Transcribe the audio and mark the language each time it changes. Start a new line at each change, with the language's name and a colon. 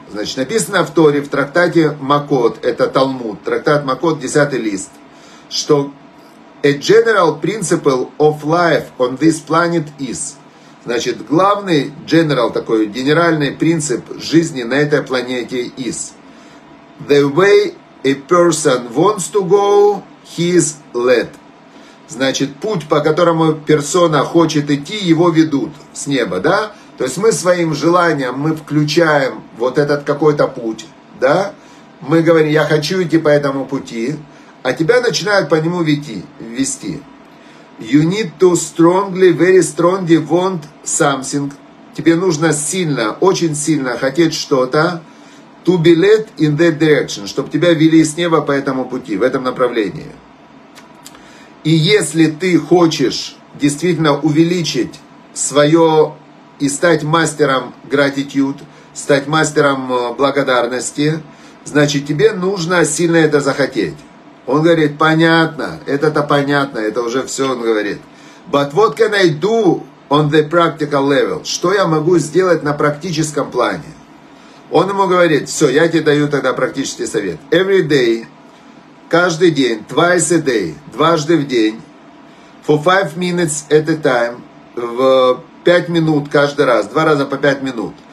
Russian: Значит, написано в Торе, в трактате Макот, это Талмуд, трактат Макот, 10 лист, что
English: a general principle of life on this planet is.
Russian: Значит, главный general, такой генеральный принцип жизни на этой планете is.
English: The way a person wants to go, he is led.
Russian: Значит, путь, по которому персона хочет идти, его ведут с неба, да? То есть мы своим желанием, мы включаем вот этот какой-то путь, да? Мы говорим, я хочу идти по этому пути, а тебя начинают по нему вести.
English: You need to strongly, very strongly want something.
Russian: Тебе нужно сильно, очень сильно хотеть что-то.
English: To be led in that direction,
Russian: чтобы тебя вели с неба по этому пути, в этом направлении. И если ты хочешь действительно увеличить свое и стать мастером gratitude, стать мастером благодарности, значит, тебе нужно сильно это захотеть. Он говорит, понятно, это-то понятно, это уже все он говорит.
English: But what can I do on the practical level?
Russian: Что я могу сделать на практическом плане? Он ему говорит, все, я тебе даю тогда практический совет.
English: Every day,
Russian: каждый день,
English: twice a day,
Russian: дважды в день,
English: for 5 minutes at a time,
Russian: в 5 минут каждый раз, 2 раза по 5 минут.